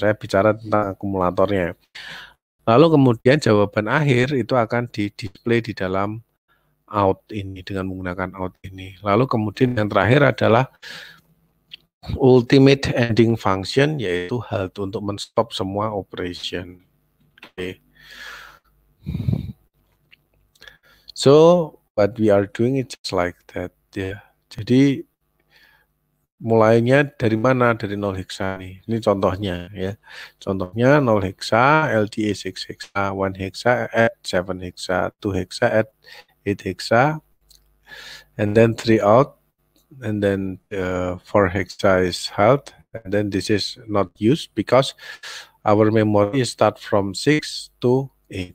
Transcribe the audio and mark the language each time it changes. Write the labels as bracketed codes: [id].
[id] Saya bicara tentang akumulatornya. Lalu kemudian jawaban akhir itu akan di display di dalam out ini dengan menggunakan out ini. Lalu kemudian yang terakhir adalah ultimate ending function yaitu halt untuk menstop semua operation. [en] Okay. So what we are doing is just like that. Yeah. [id] Jadi mulainya dari mana? Dari 0 hexa nih. Ini contohnya ya. [en] Contohnya 0 hexa, LDA 6 hexa, 1 hexa at 7 hexa, 2 hexa at 8 hexa, and then 3 out, and then 4 hexa is halt, and then this is not used because our memory start from 6 to 8.